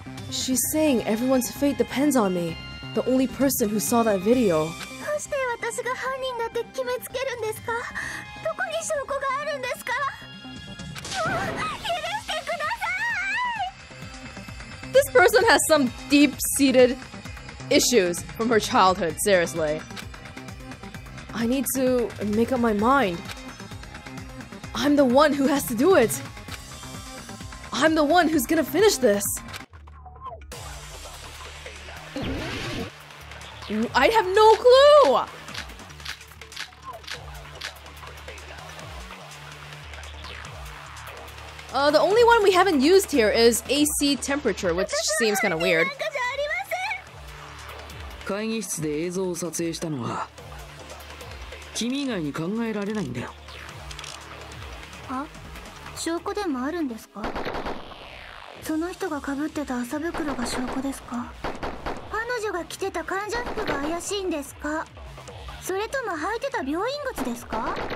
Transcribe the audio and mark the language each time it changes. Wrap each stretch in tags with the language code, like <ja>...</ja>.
<en>She's saying everyone's fate depends on me The only person who saw that video</en> <ja>どうして私が犯人だって決めつけるんですか?どこに証拠があるんですか?</ja> <en>This person has some deep-seated issues from her childhood, seriously. I need to make up my mind. I'm the one who has to do it. I'm the one who's gonna finish this. I have no clue! The only one we haven't used here is AC temperature, which seems kind of weird.</en> <ja>会議室で映像を撮影したのは、君以外に考えられないんだよ。あ、証拠でもあるんですか?その人が被ってた麻袋が証拠ですか? 彼女が着てた患者服が怪しいんですか?それとも履いてた病院靴ですか?</ja>